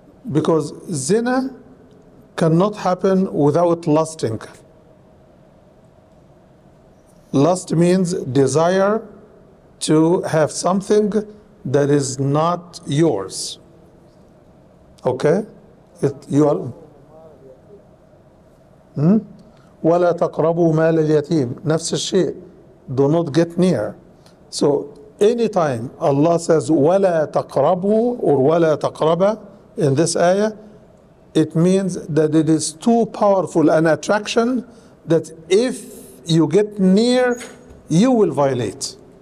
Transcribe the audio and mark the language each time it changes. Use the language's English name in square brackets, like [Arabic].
[English] Because zina cannot happen without lusting. Lust means desire to have something that is not yours. Okay? You are... [Arabic] ولا تقربوا مال اليتيم نفس الشيء. [English] Do not get near. So anytime Allah says [Arabic] ولا تقربوا [English] or [Arabic] ولا تقربا [English] in this ayah, it means that it is too powerful an attraction that if you get near, you will violate.